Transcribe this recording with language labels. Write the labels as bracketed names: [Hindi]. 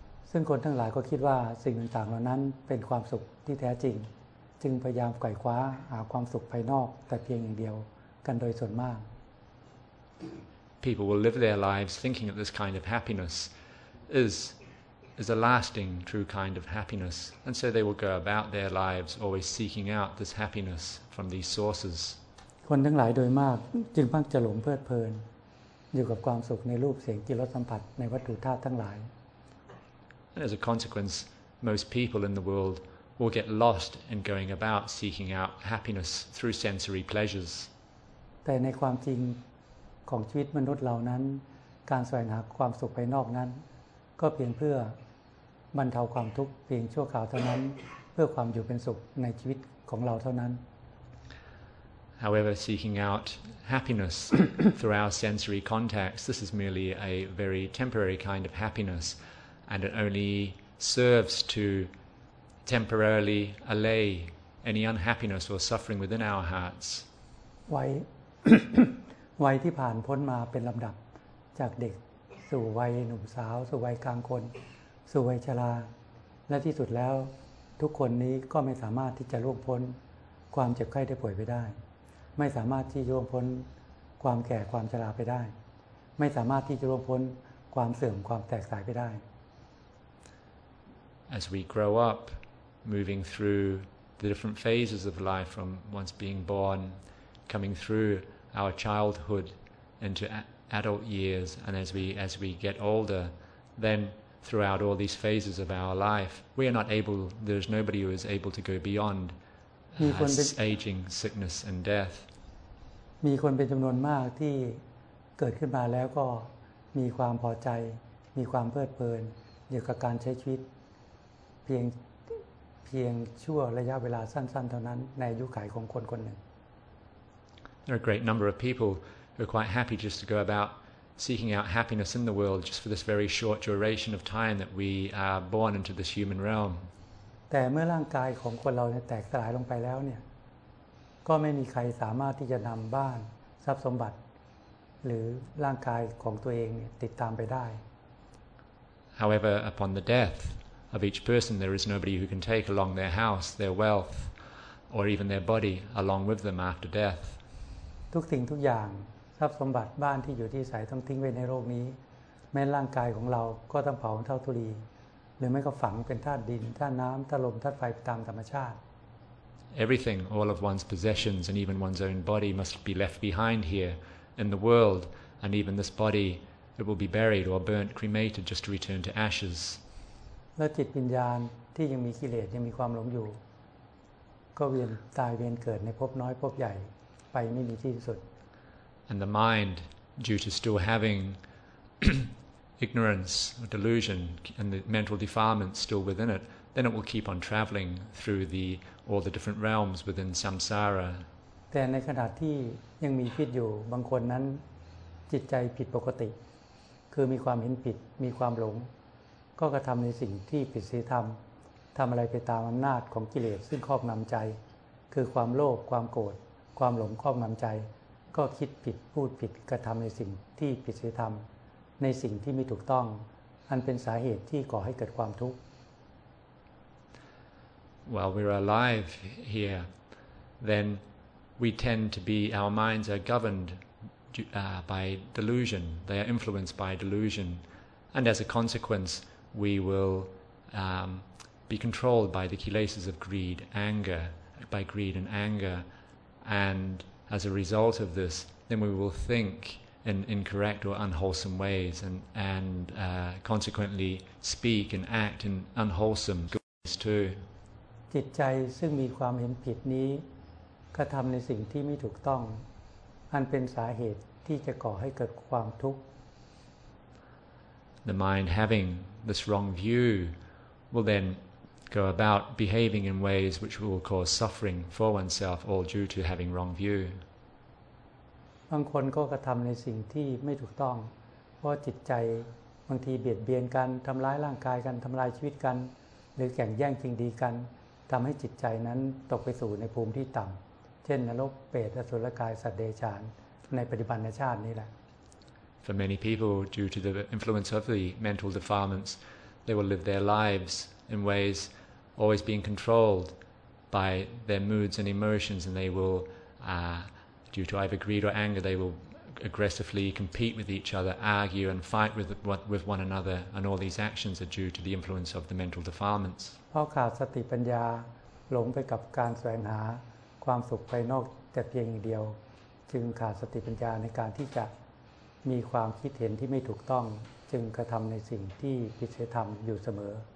[Thai] ซึ่งคนทั้งหลายก็คิดว่าสิ่งต่างๆเหล่านั้นเป็นความสุขที่แท้จริงจึงพยายามไขว่คว้าหาความสุขภายนอกแต่เพียงอย่างเดียวกันโดยส่วนมาก [English] People will live their lives thinking that this kind of happiness is a lasting true kind of happiness and so they will go about their lives always seeking out this happiness from these sources [Thai] คนทั้งหลายโดยมากจึงมักจะหลงเพลิดเพลินอยู่กับความสุขในรูปเสียงกลิ่นรสสัมผัสในวัตถุธาตุทั้งหลาย [English] And as a consequence most people in the world will get lost in going about seeking out happiness through sensory pleasures [Thai] แต่ในความจริงของชีวิตมนุษย์เหล่านั้นการแสวงหาความสุขภายนอกนั้นก็เพียงเพื่อบรรเทาความทุกข์เพียงชั่วคราวเท่านั้น เพื่อความอยู่เป็นสุขในชีวิตของเราเท่านั้น [English] However, seeking out happiness through our sensory contacts, this is merely a very temporary kind of happiness, and it only serves to temporarily allay any unhappiness or suffering within our hearts. [Thai] วัยที่ผ่านพ้นมาเป็นลำดับจากเด็กสู่วัยหนุ่มสาวสู่วัยกลางคนสู่วัยชราและที่สุดแล้วทุกคนนี้ก็ไม่สามารถที่จะล่วงพ้นความเจ็บไข้ได้ป่วยไปได้ไม่สามารถที่จะล่วงพ้นความแก่ความชราไปได้ไม่สามารถที่จะล่วงพ้นความเสื่อมความแตกสายไปได้ [English] As we grow up moving through the different phases of life from once being born coming through our childhood into adult years and as we get older then throughout all these phases of our life we are not able there's nobody who is able to go beyond [Thai] มีคนเป็น [English] aging sickness and death [Thai] มีคนเป็นจำนวนมากที่เกิดขึ้นมาแล้วก็มีความพอใจมีความเพลิดเพลินอยู่กับการใช้ชีวิตเพียงชั่วระยะเวลาสั้นๆเท่านั้นในอายุขัยของคนคนหนึ่ง [English] There are a great number of people who are quite happy just to go about seeking out happiness in the world just for this very short duration of time that we are born into this human realm [Thai] แต่เมื่อร่างกายของคนเราเนี่ยแตกสลายลงไปแล้วเนี่ยก็ไม่มีใครสามารถที่จะนำบ้านทรัพย์สมบัติหรือร่างกายของตัวเองเนี่ยติดตามไปได้ [English] However upon the death of each person, there is nobody who can take along their house, their wealth, or even their body along with them after death. [Thai] ทุกสิ่งทุกอย่างทรัพย์สมบัติบ้านที่อยู่ที่อาศัยต้องทิ้งไว้ในโลกนี้แม้ร่างกายของเราก็ต้องเผาเท่าธุลีหรือไม่ก็ฝังเป็นธาตุดินธาตุน้ำธาตุลมธาตุไฟตามธรรมชาติ [English] Everything, all of one's possessions and even one's own body must be left behind here in the world, and even this body, it will be buried or burnt, cremated just to return to ashes. [Thai] และจิตวิญญาณที่ยังมีกิเลสยังมีความหลงอยู่ก็เวียนตายเวียนเกิดในภพน้อยภพใหญ่ไปไม่มีที่สุด [English] And the mind, due to still having ignorance or delusion and the mental defilements still within it, then it will keep on traveling through the all the different realms within samsara. [Thai] แต่ในขณะที่ยังมีพิษอยู่บางคนนั้นจิตใจผิดปกติคือมีความเห็นผิดมีความหลงก็กระทำในสิ่งที่ผิดศีลธรรมทำอะไรไปตามอำนาจของกิเลสซึ่งครอบงำใจคือความโลภความโกรธความหลงครอบงำใจก็คิดผิดพูดผิดกระทำในสิ่งที่ผิดศีลธรรมในสิ่งที่ไม่ถูกต้องอันเป็นสาเหตุที่ก่อให้เกิดความทุกข์ [English] While we're alive here then we tend to be our minds are governed by delusion they are influenced by delusion and as a consequence we will be controlled by the kilesas of greed anger by greed and angerAnd as a result of this, then we will think in incorrect or unwholesome ways, and consequently speak and act in unwholesome ways too. [Thai] จิตใจซึ่งมีความเห็นผิดนี้กระทำในสิ่งที่ไม่ถูกต้องอันเป็นสาเหตุที่จะก่อให้เกิดความทุกข์ [English] The mind having this wrong view will then. Go about behaving in ways which will cause suffering for oneself, all due to having wrong view. [Thai] บางคนก็กระทำในสิ่งที่ไม่ถูกต้องเพราะจิตใจบางทีเบียดเบียนกันทำร้ายร่างกายกันทำลายชีวิตกันหรือแข่งแย่งชิงดีกันทำให้จิตใจนั้นตกไปสู่ในภูมิที่ต่ำเช่นนรกเปรตอสุรกายสัตว์เดรัจฉานในปัจจุบันชาตินี้แหละ [English] For many people, due to the influence of the mental defilements, they will live their lives. In ways, always being controlled by their moods and emotions, and they will, due to either greed or anger, they will aggressively compete with each other, argue and fight with one another, and all these actions are due to the influence of the mental defilements. [Thai] เพราะขาดสติปัญญาหลงไปกับการแสวงหาความสุขภายนอกแต่เพียงอย่างเดียวจึงขาดสติปัญญาในการที่จะมีความคิดเห็นที่ไม่ถูกต้องจึงกระทำในสิ่งที่ผิดศีลธรรมอยู่เสมอ